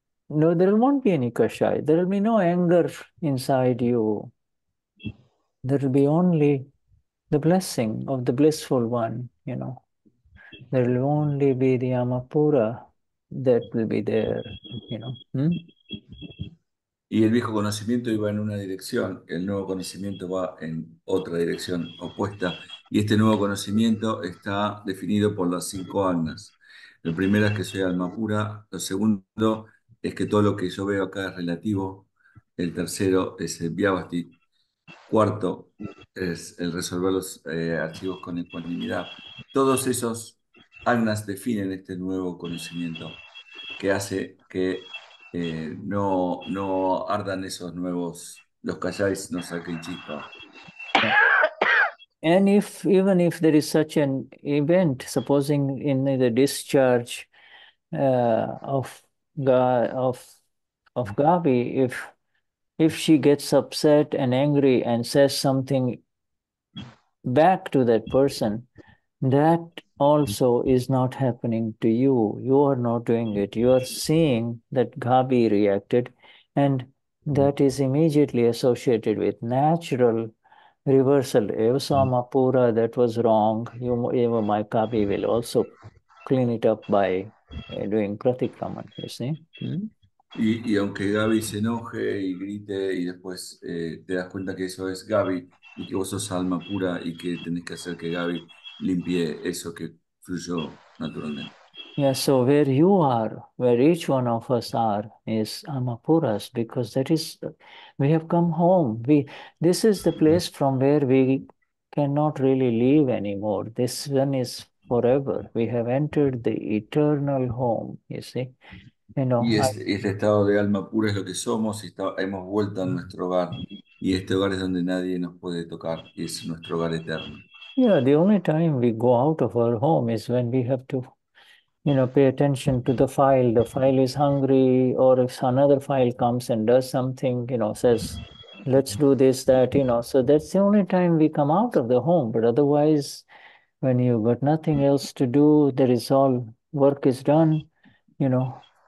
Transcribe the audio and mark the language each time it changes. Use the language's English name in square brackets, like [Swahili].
[English] No, there won't be any kashai. There will be no anger inside you. There will be only the blessing of the blissful one, you know. There will only be the Amapura that will be there, you know. [Spanish] Y el viejo conocimiento iba en una dirección, el nuevo conocimiento va en otra dirección opuesta. Y este nuevo conocimiento está definido por las cinco agnas. El primero es que soy alma pura. Lo segundo es que todo lo que yo veo acá es relativo. El tercero es el Vyavasti. Cuarto es el resolver los archivos con ecuanimidad. Todos esos agnas definen este nuevo conocimiento que hace que no ardan esos nuevos, los kashais no saquen chispa. [English] And if, even if there is such an event, supposing in the discharge of Gavi, if she gets upset and angry and says something back to that person, that also is not happening to you. You are not doing it. You are seeing that Gabi reacted, and that is immediately associated with natural reversal. Evasamapura, that was wrong. Even my Gabi will also clean it up by doing pratikraman, you see. [Spanish] Y aunque Gaby se enoje y grite y después te das cuenta que eso es Gaby y que vos sos alma pura y que tenés que hacer que Gaby limpie eso que fluyó naturalmente. [English] Yeah, so where you are, where each one of us are, is Amapuras, because that is, we have come home. We, this is the place from where we cannot really leave anymore. This one is forever. We have entered the eternal home, you see. You know, [Spanish] y este estado de alma pura es lo que somos, y hemos vuelto a nuestro hogar, y este hogar es donde nadie nos puede tocar, y es nuestro hogar eterno. [English] Yeah, the only time we go out of our home is when we have to, you know, pay attention to the file. The file is hungry, or if another file comes and does something, you know, says, let's do this, that, you know. So that's the only time we come out of the home. But otherwise, when you've got nothing else to do, there is all work is done, you know.